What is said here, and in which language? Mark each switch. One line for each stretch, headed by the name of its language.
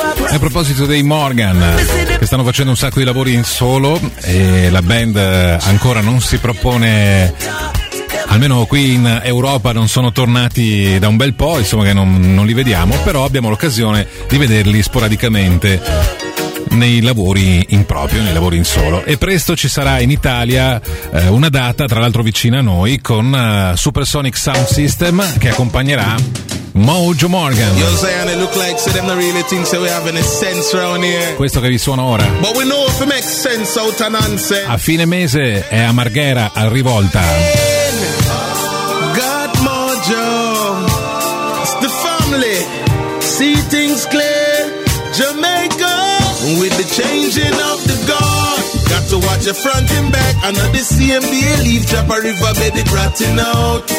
Italian: A proposito dei Morgan, che stanno facendo un sacco di lavori in solo e la band ancora non si propone, almeno qui in Europa non sono tornati da un bel po', insomma che non li vediamo, però abbiamo l'occasione di vederli sporadicamente nei lavori in proprio, nei lavori in solo, e presto ci sarà in Italia una data, tra l'altro vicina a noi, con Supersonic Sound System, che accompagnerà Mojo Morgan.
English: Yo, Zion, it look like so them not really think so we have any sense around here.
Italian: Questo che vi suona ora.
English: But we know if it makes sense out of nonsense.
Italian: A fine mese è a Marghera, a Rivolta.
English: God Mojo, it's the family, see things clear, Jamaica. With the changing of the guard, got to watch your front and back. Another the CMBA leaf drop a river bed it rotting out.